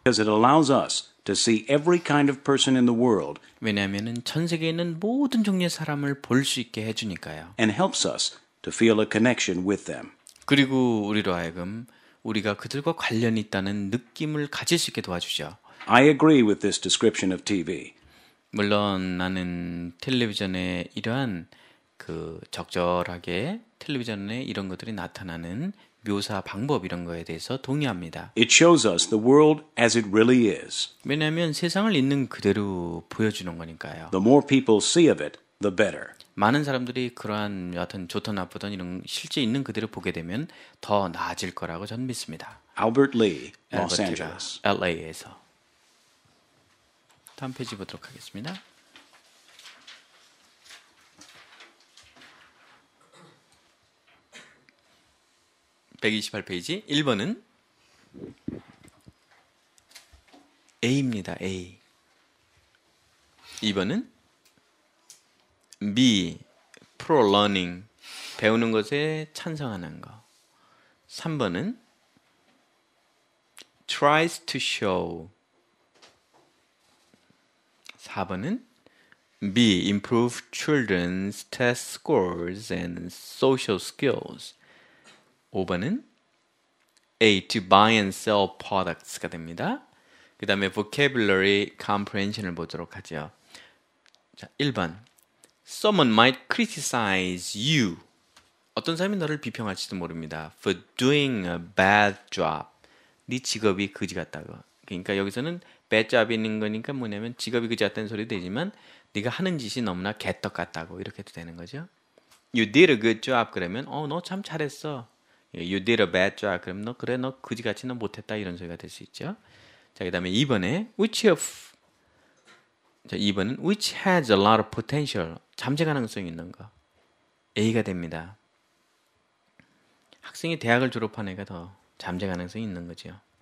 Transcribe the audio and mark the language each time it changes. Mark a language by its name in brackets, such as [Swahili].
[English] Because it allows us to see every kind of person in the world. [Korean] 왜냐하면은 전 세계에 있는 모든 종류의 사람을 볼 수 있게 해주니까요. [English] And helps us to feel a connection with them. [Korean] 그리고 우리로 하여금 우리가 그들과 관련 있다는 느낌을 가질 수 있게 도와주죠. [English] I agree with this description of TV. [Korean] 물론 나는 텔레비전에 이러한 그 적절하게 텔레비전에 이런 것들이 나타나는 묘사 방법 이런 거에 대해서 동의합니다. [English] It shows us the world as it really is. [Korean] 왜냐하면 세상을 있는 그대로 보여주는 거니까요. [English] The more people see of it, the better. [Korean] 많은 사람들이 그러한 여하튼 좋든 나쁘든 이런 실제 있는 그대로 보게 되면 더 나아질 거라고 저는 믿습니다. [English] Albert Lee, Los Angeles, [Korean] LA에서. 다음 페이지 보도록 하겠습니다. 128페이지 1번은 A입니다. A. 2번은 B. [English] Pro learning. [Korean] 배우는 것에 찬성하는 거. 3번은 [English] tries to show. [Korean] 4번은 B. [English] Improve children's test scores and social skills. [Korean] 5번은 A. [English] To buy and sell products가 [Korean] 됩니다. 그 다음에 [English] vocabulary comprehension [Korean] 을 보도록 하죠. 자, 1번 [English] Someone might criticize you. [Korean] 어떤 사람이 너를 비평할지도 모릅니다. [English] For doing a bad job. [Korean] 네 직업이 그지 같다고. 그러니까 여기서는 bad job 있는 거니까 뭐냐면 직업이 그지 같다는 소리도 되지만 네가 하는 짓이 너무나 개떡 같다고 이렇게도 되는 거죠. [English] You did a good job [Korean] 그러면 너 참 잘했어. [English] You did a bad job [Korean] 그럼 너 그래 너 그지같이 너 못했다 이런 소리가 될 수 있죠. 자 그 다음에 2번에 [English] which of [Korean] 자 2번은 [English] which has a lot of potential [Korean] 잠재 가능성이 있는 거 A가 됩니다. 학생이 대학을 졸업한 애가 더 잠재 가능성이 있는 거죠.